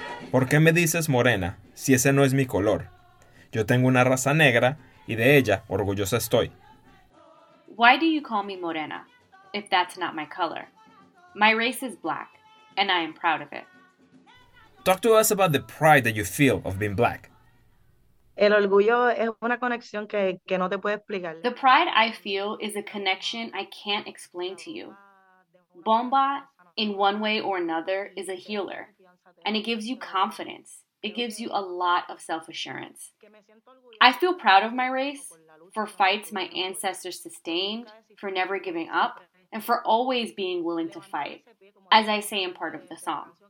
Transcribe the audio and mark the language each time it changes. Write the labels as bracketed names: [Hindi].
[Spanish] ¿Por qué me dices morena si ese no es mi color? Yo tengo una raza negra y de ella orgullosa estoy. [English] Why do you call me morena if that's not my color? My race is black and I am proud of it. Talk to us about the pride that you feel of being black. [Spanish] El orgullo es una conexión que no te puedo explicar. [English] The pride I feel is a connection I can't explain to you. Bomba, in one way or another, is a healer. And it gives you confidence. It gives you a lot of self-assurance. I feel proud of my race, for fights my ancestors sustained, for never giving up, and for always being willing to fight, as I say in part of the song.